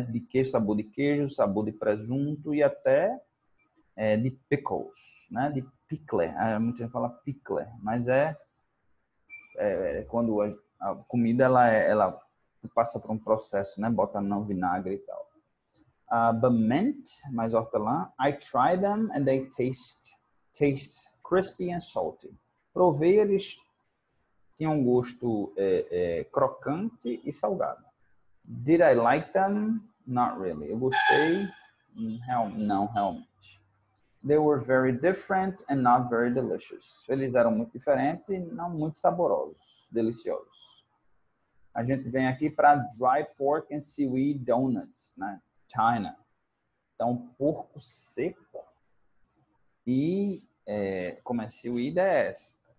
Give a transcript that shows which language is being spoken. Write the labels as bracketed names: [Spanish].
[Portuguese] De queijo, sabor de queijo, sabor de presunto e até de pickles, né? De pickle. Muita gente fala pickle, mas é quando a comida ela passa por um processo, né? Bota no vinagre e tal. [English] But mint, [Portuguese] mais hortelã. [English] I try them and they taste crispy and salty. [Portuguese] Provei, eles tinham um gosto crocante e salgado. [English] Did I like them? Not really. [Portuguese] Eu gostei? Não, realmente. [English] They were very different and not very delicious. [Portuguese] Eles eram muito diferentes e não muito saborosos, deliciosos. A gente vem aqui para [English] dry pork and seaweed donuts, [Portuguese] né? China. Então, porco seco e como é seaweed, é essa?